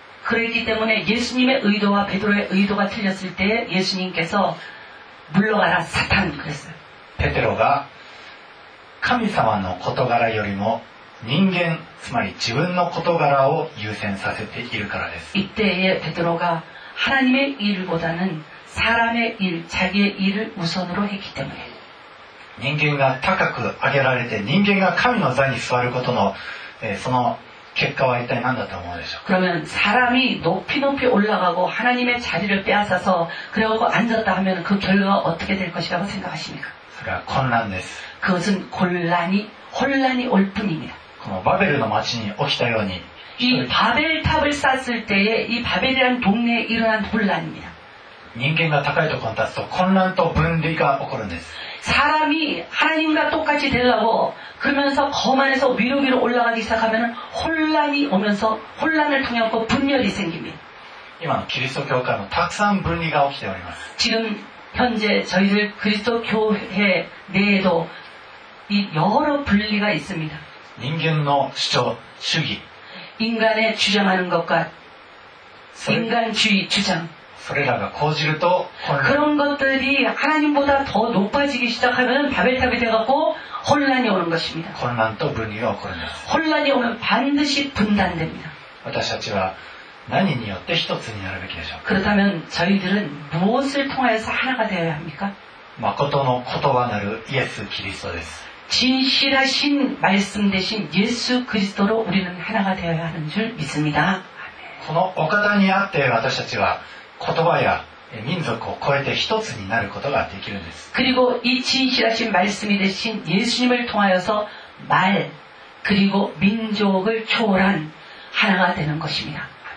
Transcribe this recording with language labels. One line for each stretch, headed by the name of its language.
Korean: 그랬기때문에예수님의의도와베드로의의도가틀렸을때예수님께서물러가라사탄그랬어요 베드로가하나님의
Japanese: 事柄よりも人間つまり自分の事柄を優先させているからです
Korean: 이때에베드로가하나님의일보다는사람의일자기의일을우선으로했기때문에
Japanese: 人間が高く上げられて人間が神の座に座ることのその結果は一体何だと思うでしょう。
Korean: 그러면사람이높이높이올라가고하나님의자리를빼앗아서그러고앉았다하면그결과가어떻게될것이라고생각하십니까? 그러니까혼란です。 그것은곤란이혼란이올뿐입니다。
Japanese: このバベルの町に起きたように。
Korean: 이바벨탑을쌓았을때에이바벨이라는동네에일어난혼란입니다。
Japanese: 人間が高いところに立つと混乱と分離が起こるんです。
Korean: 사람이하나님과똑같이되려고그러면서거만해서위로위로올라가기시작하면혼란이오면서혼란을통해서분열이생깁니다
Japanese: 今のキリスト教会もたくさん分離が起きております
Korean: 지금현재저희들그리스도교회내에도이여러분리가있습니다
Japanese: 人間の主張主義
Korean: 인간의주장하는것과인간주의주장
Japanese: それらが高じると
Korean: 그런것들이하나님보다더높아지기시작하면바벨탑이돼갖고혼란이오는것입니다 혼란또분이오거든요 혼란이오면반드시분단됩니다
Japanese: 우리たちは何によって一つになるべきでしょう
Korean: 그렇다면저희들은무엇을통해서하나가되어야합니까
Japanese: まことの言葉なるイエス・キリストです
Korean: 진실하신말씀대신예수그리스도로우리는하나가되어야하는줄믿습니다
Japanese: このお方にあって私たちは言葉や民族を超えて一つになることができるんです。
Korean: 그리고이진실하신말씀이되신예수님을통하여서말그리고민족을초월한하나가되는것입니다